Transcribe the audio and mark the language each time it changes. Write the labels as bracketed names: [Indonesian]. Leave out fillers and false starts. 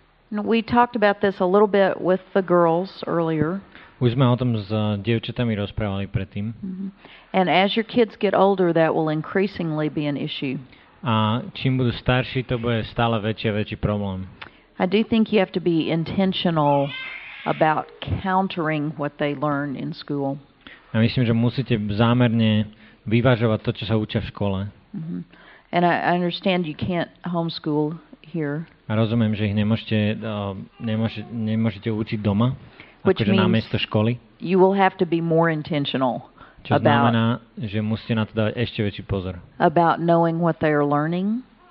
[English] We talked about this a little bit with the girls earlier. [Slovak] Už sme o tom s dievčatami rozprávali predtým. [English] And as your kids get older, that will increasingly be an issue. [Slovak] A čím budú starší, to bude stále väčší a väčší problém. [English] I do think you have to be intentional about countering what they learn in school. [Slovak] Ja myslím, že musíte zámerne vyvažovať to, čo sa učia v škole. [English] And I understand you can't homeschool here. [Slovak] A rozumiem, že ich nemôžete učiť doma, akože na miesto školy. [English] You will have to be more intentional. [Slovak] Čo znamená, že musíte na to dávať ešte väčší pozor. [English] About knowing what they are learning.